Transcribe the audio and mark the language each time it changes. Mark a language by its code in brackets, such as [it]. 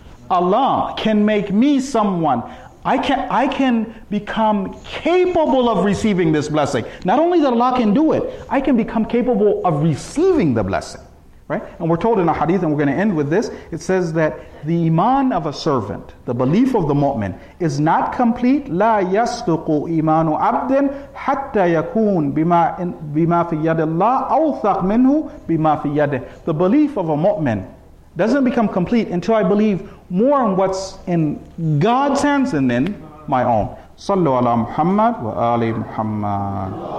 [en] Allah can make me someone. I can become capable of receiving this blessing. Not only that Allah can do it, I can become capable of receiving the blessing. Right? And we're told in a hadith, and we're going to end with this, it says that the iman of a servant, the belief of the mu'min, is not complete. [ar] لا يصدق إيمان عبد حتى يكون بما في يد الله أوثق منه بما في يده. [en] The belief of a mu'min doesn't become complete until I believe more in what's in God's hands than in my own. [ar] صلوا على محمد وآل محمد.